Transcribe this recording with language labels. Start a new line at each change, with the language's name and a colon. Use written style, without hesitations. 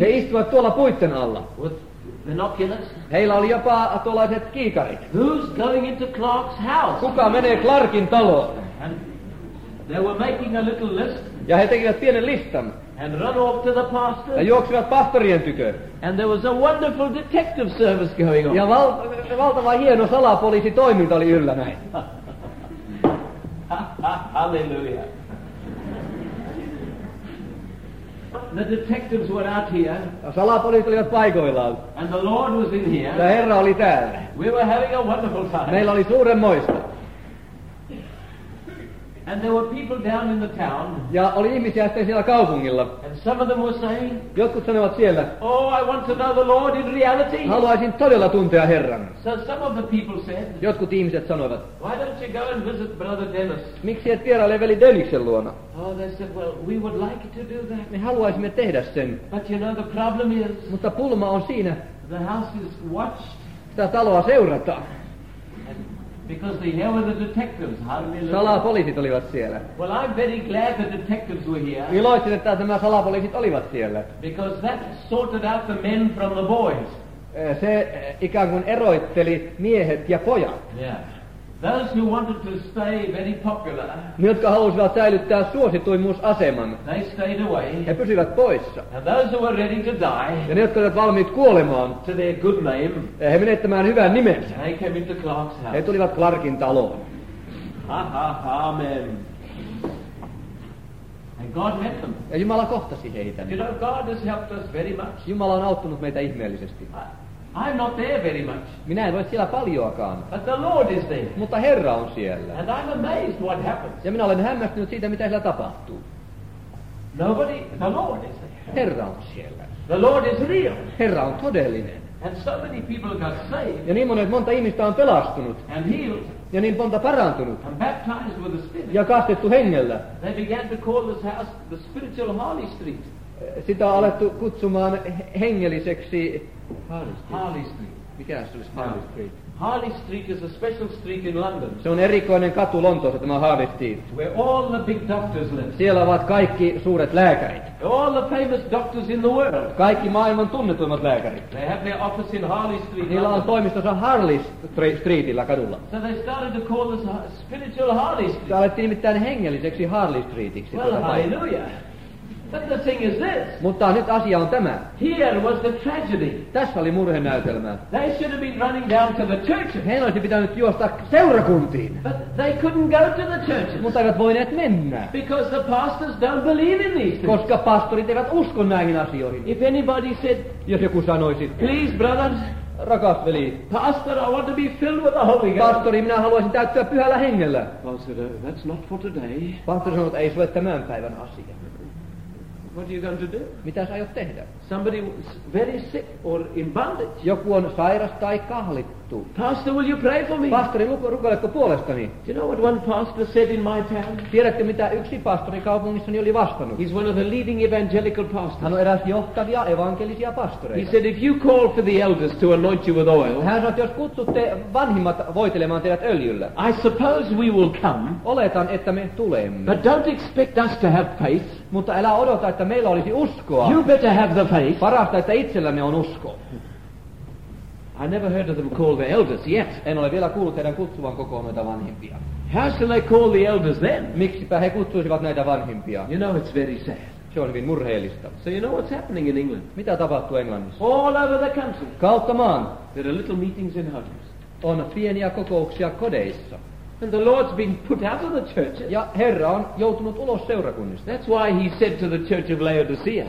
Finnish: He istuivat tuolla puitten alla.
English: With binoculars.
Finnish: Heillä oli jopa tuollaiset kiikarit.
English: Who's going into Clark's house?
Finnish: Kuka menee Clarkin taloon?
English: And they were making a little list.
Finnish: Ja he tekivät pienen listan.
English: And run off to the pastor.
Finnish: Ja juoksivat pastorien tykö.
English: And there was a wonderful detective service going on.
Finnish: Ja valtava hieno salapoliisi toiminta oli yllä näin.
English: Hallelujah. The detectives were out here.
Finnish: Ja salapoliisit olivat paikoillaan.
English: And the Lord was in here.
Finnish: Ja Herra oli täällä.
English: We were having a wonderful time.
Finnish: Meillä oli suurenmoista.
English: And there were people down in the town.
Finnish: Ja oli ihmisiä sitten siellä kaupungilla.
English: And some of them were saying.
Finnish: Jotkut sanovat siellä.
English: Oh, I want to know the Lord in reality.
Finnish: Haluaisin todella tuntea Herran.
English: So some of the people said.
Finnish: Jotkut ihmiset sanoivat.
English: Why don't you go and visit Brother Dennis?
Finnish: Miksi et vieraile veli Dennisen luona?
English: Oh, they said, well, we would like to do that.
Finnish: Me haluaisimme tehdä sen.
English: But you know the problem is.
Finnish: Mutta pulma on siinä.
English: The house is watched.
Finnish: Sitä taloa seurataan.
English: Because they were the detectives. Hallelujah.
Finnish: Salapoliisit olivat siellä.
English: Well, I'm very glad the detectives were here.
Finnish: Iloitsin, että nämä salapoliisit olivat siellä.
English: Because that sorted out the men from the boys.
Finnish: Se ikään kuin eroitteli miehet ja pojat.
English: Yeah. Those who wanted to stay very popular.
Finnish: Ne, jotka halusivat säilyttää suosituimmuusaseman.
English: They stayed away.
Finnish: He pysyivät poissa.
English: And those who were ready to die.
Finnish: Ja ne, jotka olivat valmiit kuolemaan.
English: To their good name.
Finnish: He menettämään hyvän nimensä.
English: They came into Clark's house.
Finnish: He tulivat Clarkin taloon.
English: Ha, ha, amen. And God met them.
Finnish: Ja Jumala kohtasi heitä.
English: You know, God has helped us very much.
Finnish: Jumala on auttanut meitä ihmeellisesti.
English: I'm not there very much.
Finnish: Minä en voi siellä paljoakaan.
English: But the Lord is there.
Finnish: Mutta Herra on siellä.
English: And I'm amazed what happens.
Finnish: Ja minä olen hämmästynyt siitä, mitä siellä tapahtuu.
English: Nobody, the Lord is there.
Finnish: Herra on siellä.
English: The Lord is real.
Finnish: Herra on todellinen.
English: And so many people got saved.
Finnish: Ja niin monta ihmistä on pelastunut.
English: And healed.
Finnish: Ja niin monta parantunut.
English: And baptized with the Spirit.
Finnish: Ja kastettu hengellä.
English: They began to call this house the spiritual Harley Street.
Finnish: Sitä on alettu kutsumaan hengelliseksi.
English: Harley Street.
Finnish: Mikä se olisi Harley Street?
English: Harley Street is a special street in London.
Finnish: Se on erikoinen katu Lontoossa, tämä Harley Street.
English: Where all the big doctors live.
Finnish: Siellä ovat kaikki suuret lääkärit.
English: All the famous doctors in the world.
Finnish: Kaikki maailman tunnetuimmat lääkärit.
English: They have their office in Harley Street.
Finnish: Niillä on toimistonsa Harley Streetillä kadulla.
English: So they started to call this spiritual Harley Street.
Finnish: Tämä alettiin nimittäin hengelliseksi Harley Streetiksi.
English: Well, hallelujah. But the thing is this.
Finnish: Mutta nyt asia on tämä.
English: Here was the tragedy.
Finnish: Tässä oli murhenäytelmä.
English: They should have been running down to the churches.
Finnish: Heidän olisi pitänyt juosta seurakuntiin.
English: But they couldn't go to the churches.
Finnish: Mutta eivät voineet mennä.
English: Because the pastors don't believe in these things.
Finnish: Koska pastorit eivät usko näihin asioihin.
English: If anybody said.
Finnish: Jos joku sanoisi.
English: Please, brothers.
Finnish: Rakas veli.
English: Pastor, I want to be filled with the Holy Ghost.
Finnish: Pastori, minä haluaisin täyttyä pyhällä hengellä.
English: Pastor, that's not for today.
Finnish: Pastori sanoi, että ei sulle tämän päivän asia.
English: What are you going to do?
Finnish: Mitä sä aiot tehdä?
English: Somebody was very sick or in bondage.
Finnish: Joku on sairas tai kahlittu.
English: Pastor, will you pray for me?
Finnish: Pastori, rukoiletko puolestani?
English: Do you know what one pastor said in my town?
Finnish: Tiedätkö, mitä yksi pastori kaupungissani oli vastannut?
English: He's one of the leading evangelical pastors.
Finnish: Hän on eräs johtavia evankelisia pastoreita.
English: He said, if you call for the elders to anoint you with oil.
Finnish: Hän sanoi, jos kutsutte vanhimmat voitelemaan teidät öljyllä.
English: I suppose we will come.
Finnish: Oletan, että me tulemme.
English: But don't expect us to have faith.
Finnish: Mutta älä odota, että meillä olisi uskoa.
English: You better have the faith.
Finnish: Parasta, että itsellämme on usko.
English: I never heard of them call the elders yet.
Finnish: En ole vielä kuullut heidän kutsuvan kokoomaita vanhimpia.
English: How shall they call the elders then?
Finnish: Miksipä he kutsuisivat näitä vanhimpia?
English: You know, it's very sad.
Finnish: Se on hyvin murheellista.
English: So you know what's happening in England?
Finnish: Mitä tapahtuu Englannissa?
English: All over the country.
Finnish: Kautta maan.
English: There are little meetings in houses.
Finnish: On pieniä kokouksia kodeissa.
English: And the Lord's been put out of the churches.
Finnish: Ja Herra on joutunut ulos seurakunnista.
English: That's why he said to the church of Laodicea.